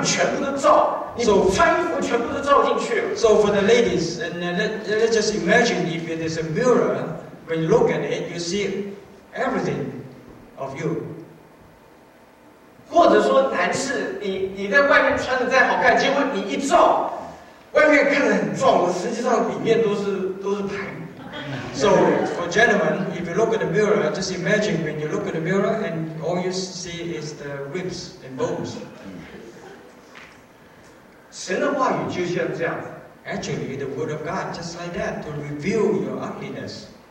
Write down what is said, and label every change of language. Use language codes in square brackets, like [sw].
[zh] 我不知道小姐们啊，你如果说有一个镜子，那个镜子一照，把你全部都照，你穿衣服全部都照进去。 [en] So for the ladies, and let's just imagine if it is a mirror, when you look at it, you see everything of you. [zh] 或者说男士，你在外面穿的再好看，结果你一照，外面看得很壮，实际上里面都是排。 [en] So, for gentlemen, if you look at the mirror, just imagine when you look at the mirror and all you see is the ribs and bones. [zh] 神的话语就像这样. [en] Actually, the word of God, just like that, to reveal your ugliness.